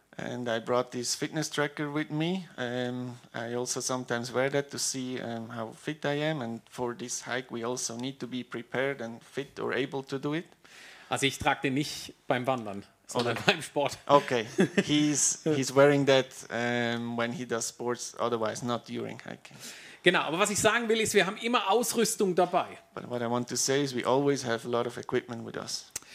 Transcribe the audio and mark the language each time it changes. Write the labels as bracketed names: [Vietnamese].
[English] And I brought this Fitness-Tracker with me. I also sometimes wear that to see how fit I am and for this hike we also need to be prepared and fit or able to do it. [German] Also ich trage den nicht beim Wandern. Oder beim Sport. [English] Okay, he's wearing that when he does sports, otherwise not during hiking. [German] Genau, aber was ich sagen will, ist, wir haben immer Ausrüstung dabei. [English] But what I want to say is we always have a lot of equipment with us.